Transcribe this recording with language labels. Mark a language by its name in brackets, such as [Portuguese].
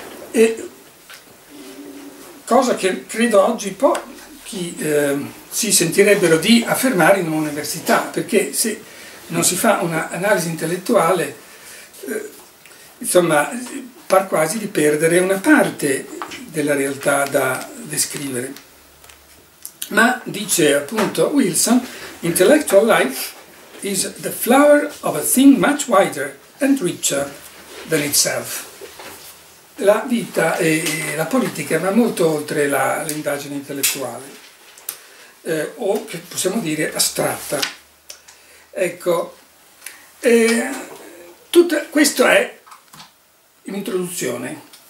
[Italian] E, cosa che credo oggi pochi si sentirebbero di affermare in un'università, perché se non si fa un'analisi intellettuale, insomma, par quasi di perdere una parte della realtà da descrivere. Ma, dice appunto Wilson, [English] intellectual life is the flower of a thing much wider and richer than itself. [Italian] La vita e la politica va molto oltre l'indagine intellettuale, o possiamo dire astratta. Ecco, tutto questo è un'introduzione.